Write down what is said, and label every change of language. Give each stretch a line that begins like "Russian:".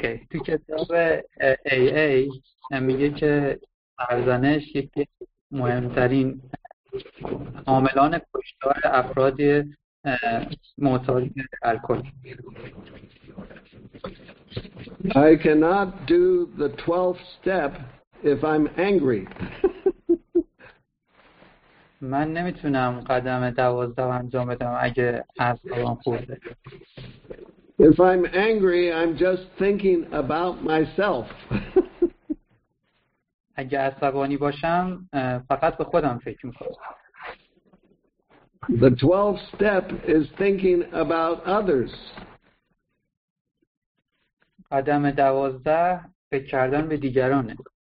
Persian: تو کتاب AA میگه که سرزنش یکی مهمترین عاملان کشتار افراد معتاد الکل.
English: I cannot do the 12th step if I'm angry.
Persian: من نمیتونم قدم 12 انجام بدم اگه اعصابم خورده.
English: If I'm angry, I'm just thinking about myself.
Persian: اگه عصبانی باشم فقط به خودم فکر میکنم.
English: The 12th step is thinking about others.
Persian: قدم 12 فکر کردن به دیگرانه.